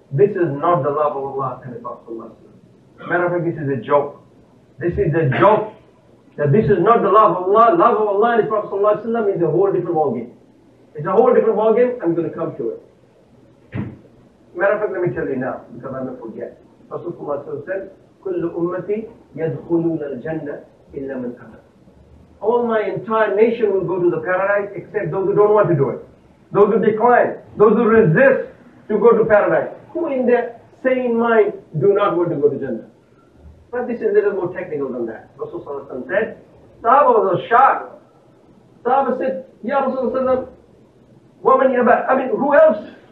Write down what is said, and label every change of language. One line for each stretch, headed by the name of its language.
English: This is not the love of Allah and the Prophet sallallahu alayhi wa sallam. Matter of fact, this is a joke. This is a joke. That this is not the love of Allah. Love of Allah and the Prophet sallallahu alayhi wa sallam is a whole different ballgame. It's a whole different ballgame. I'm going to come to it. Matter of fact, let me tell you now, because I'm going to forget.
Arabic: الرسول صلى الله عليه وسلم كل أمتي يدخلون الجنة إلا من أبى.
English: All my entire nation will go to the paradise except those who don't want to do it. Those who decline, those who resist to go to paradise. Who in their sane mind do not want to go to Jannah? But this is a little more technical than that. Rasulullah said, Sahaba was a shock. Sahaba said, Ya Rasulullah, woman, I mean, who else?